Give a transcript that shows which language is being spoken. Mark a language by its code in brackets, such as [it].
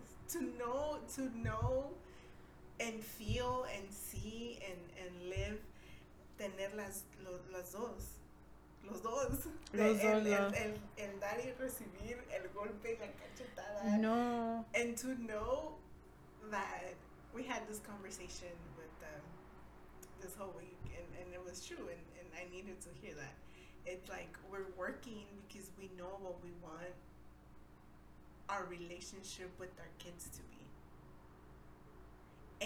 [en] To know and feel and see and live. [es] Tener las dos. Los dos. El dar y recibir el golpe y la cachetada. No. [en] And to know that we had this conversation with this whole week, and it was true, and I needed to hear that. It's like we're working because we know what we want our relationship with our kids to be.